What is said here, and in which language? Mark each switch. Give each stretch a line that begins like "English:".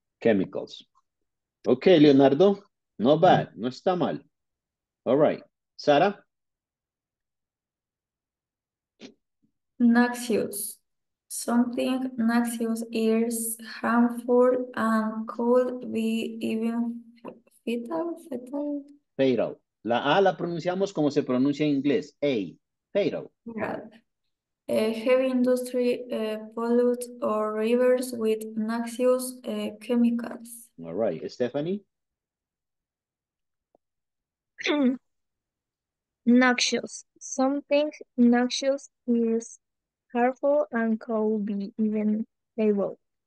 English: Chemicals. Okay, Leonardo, no bad,
Spanish: no está mal.
English: All right, Sara. Noxious. Something noxious is harmful and could be even fatal. Fatal.
Spanish: La A la pronunciamos como se pronuncia en inglés, A, fatal.
English: Heavy industry pollutes or rivers with noxious chemicals. All right, Stephanie. Noxious. Something noxious is harmful and could be even fatal.